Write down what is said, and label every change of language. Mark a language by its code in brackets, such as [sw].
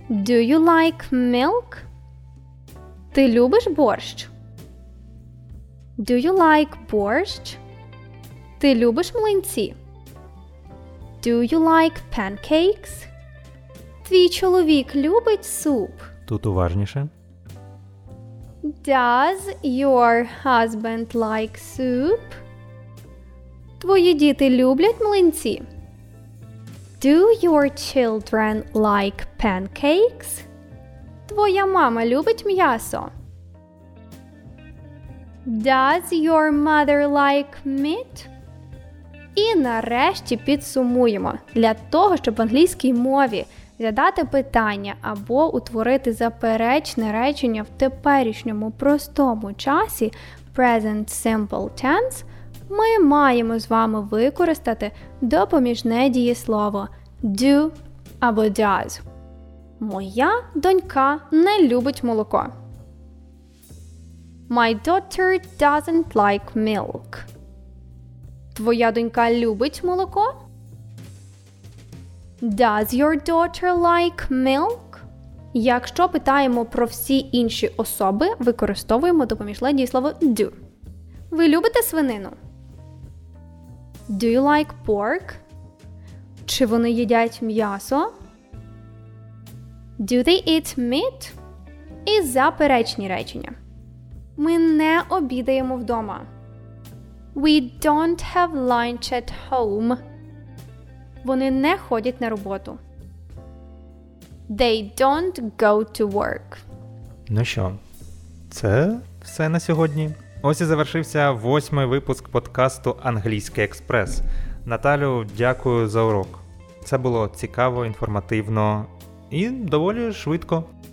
[en] Do you like milk? [uk] Ти любиш борщ? [en] Do you like borscht? [uk] Ти любиш млинці? [en] Do you like pancakes? [uk] Твій чоловік любить суп? Тут уважніше. [en] Does your husband like soup? [uk] Твої діти люблять млинці? [en] Do your children like pancakes? [uk] Твоя мама любить м'ясо? [en] Does your mother like meat? [uk] І нарешті підсумуємо. Для того, щоб в англійській мові задати питання або утворити заперечне речення в теперішньому простому часі present simple tense, ми маємо з вами використати допоміжне дієслово do або does. Моя донька не любить молоко. [en] My daughter doesn't like milk. [uk] Твоя донька любить молоко? [en] Does your daughter like milk? [uk] Якщо питаємо про всі інші особи, використовуємо допоміжне дієслово do. Ви любите свинину? [en] Do you like pork? [uk] Чи вони їдять м'ясо? [en] Do they eat meat? [uk] І заперечні речення. Ми не обідаємо вдома. [en] We don't have lunch at home. [uk] Вони не ходять на роботу. [en] They don't go to work. [uk] Ну що, це все на сьогодні. Ось і завершився восьмий випуск подкасту «Англійський експрес». Наталю, дякую за урок. Це було цікаво, інформативно і доволі швидко.